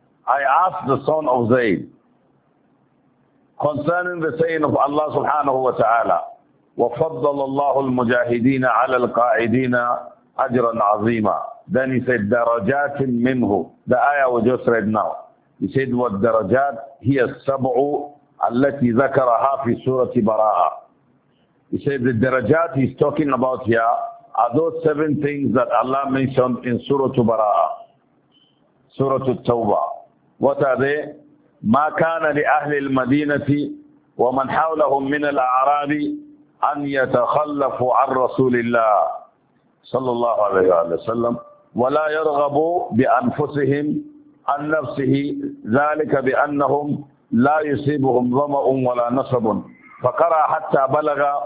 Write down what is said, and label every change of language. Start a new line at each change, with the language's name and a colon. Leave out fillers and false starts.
English: I asked the son of Zayd concerning the saying of Allah subhanahu wa ta'ala,
Arabic: وَفَضَّلَ اللَّهُ الْمُجَاهِدِينَ عَلَى الْقَاعِدِينَ أَجْرًا عَظِيمًا.
English: Then he said,
Arabic: دَرَجَاتٍ مِّنْهُ.
English: The ayah we just read now. He said,
Arabic: وَالدَّرَجَاتِ هِيَ السَّبْعُ الَّتِي ذَكَرَهَا فِي سُورَةِ بَرَاءَةٍ.
English: He said the darajat he's talking about here are those seven things that Allah mentioned in Surah Al-Bara'ah, Surah Al-Tawbah. What are they?
Arabic: مَا كَانَ لِأَهْلِ الْمَدِينَةِ وَمَنْ حَوْلَهُمْ مِنَ الْأَعْرَابِ أَنْ يَتَخَلَّفُوا عَنْ رَسُولِ اللَّهِ صلى الله عليه وسلم وَلَا يَرْغَبُوا بِأَنفُسِهِمْ عَنْ نَفْسِهِ ذَلِكَ بِأَنَّهُمْ لَا يُصِيبُهُمْ ظَمَأٌ وَلَا نَصَبٌ فَقَرَى حَتَّى بَلَغَ